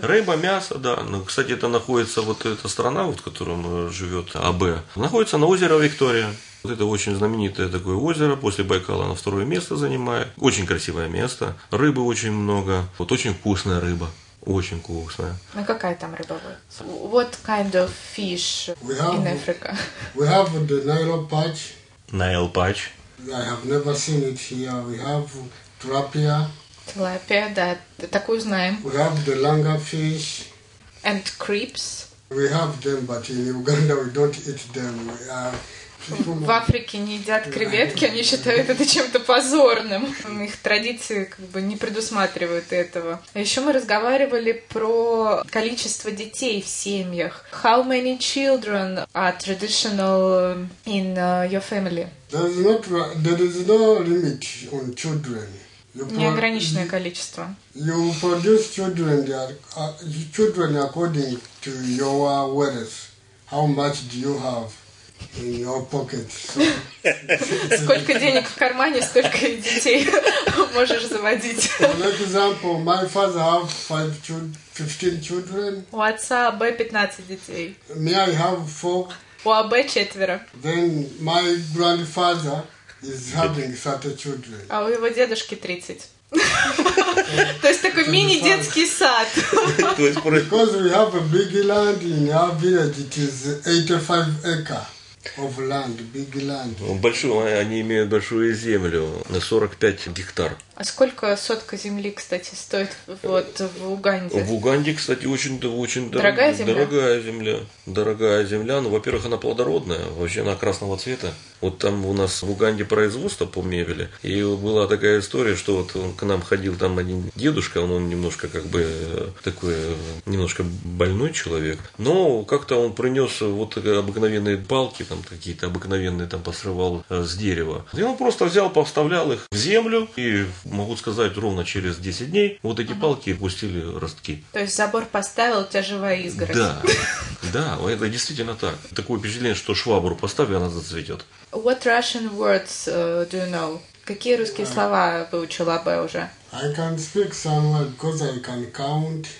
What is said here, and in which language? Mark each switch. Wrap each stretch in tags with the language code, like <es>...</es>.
<ru>Рыба, мясо, да. Ну, кстати, это находится, вот эта страна, вот, в которой живет АБ, находится на озере Виктория. Вот это очень знаменитое такое озеро, после Байкала оно второе место занимает. Очень красивое место, рыбы очень много, вот очень вкусная рыба. Очень вкусная. А какая там рыба будет?</ru> <en>What kind of fish in Africa? We have the Nile patch. Nile patch. I have never seen it here. We have tilapia.</en> <ru>Tilapia, да, такую знаем.</ru> <en>We have the langa fish. And crabs. We have them, but in Uganda we don't eat them.</en> <ru>В Африке не едят креветки, они считают это чем-то позорным. Их традиции как бы не предусматривают этого. А еще мы разговаривали про количество детей в семьях.</ru> <en>How many children are traditional in your family? There is no limit on children.</en> <ru>Неограниченное количество.</ru> <en>You produce children, children according to your wealth. How much do you have? In your pocket.</en> <ru>Сколько денег в кармане, столько и детей можешь заводить.</ru> <en>For example, my father have 15 children.</en> <ru>У отца Б 15 детей.</ru> <en>Me I have 4.</en> <ru>У АБ четверо.</ru> <en>Then my grandfather is having 30 children.</en> <ru>А у его дедушки 30. То есть такой мини-детский сад.</ru> <en>Because we have a big land in our village, it is 85 acres. Of land, big land.</en> <ru>Большую, они имеют большую землю на 45 гектар. А сколько сотка земли, кстати, стоит вот в Уганде? В Уганде, кстати, очень очень дорогая земля. Дорогая земля. Ну, во-первых, она плодородная, вообще она красного цвета. Вот там у нас в Уганде производство по мебели. И была такая история, что вот к нам ходил там один дедушка, он немножко как бы такой, немножко больной человек. Но как-то он принес вот обыкновенные палки, там какие-то обыкновенные, там посрывал с дерева. И он просто взял, поставлял их в землю. И могу сказать, ровно через 10 дней вот эти палки пустили ростки. То есть забор поставил, у тебя живая изгородь. Да, да, это действительно так. Такое впечатление, что швабру поставил, она зацветет.</ru> <en>What Russian words do you know?</en> <ru>Какие русские слова выучил АБ уже?</ru> <en>I can speak some because I can count.</en>